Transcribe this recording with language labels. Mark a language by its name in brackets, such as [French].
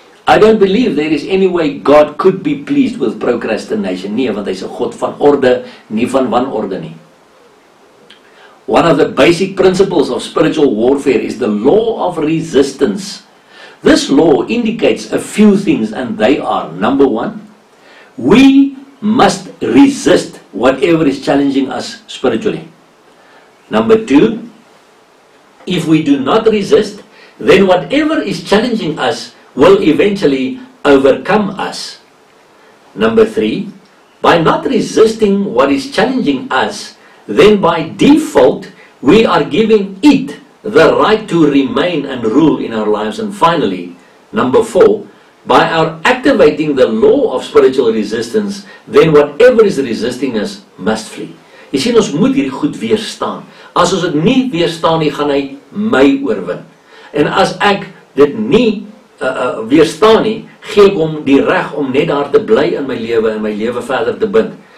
[English] I don't believe there is any way God could be pleased with procrastination. [Afrikaans] Nee, want hy's 'n God van orde, nie van wanorde nie. [English] One of the basic principles of spiritual warfare is the law of resistance. This law indicates a few things, and they are, number 1, we must resist whatever is challenging us spiritually. Number 2, if we do not resist, then whatever is challenging us will eventually overcome us. Number 3, by not resisting what is challenging us, then by default, we are giving it the right to remain and rule in our lives. And finally, number 4, by our activating the law of spiritual resistance, then whatever is resisting us must flee. [Afrikaans] Jy sien, ons moet hierdie goed weerstaan. As ons dit nie weerstaan nie, gaan hy my oorwin. En as ek dit nie weerstaan nie, gee ek hom die reg om net daar te bly in my lewe en my lewe verder te bind.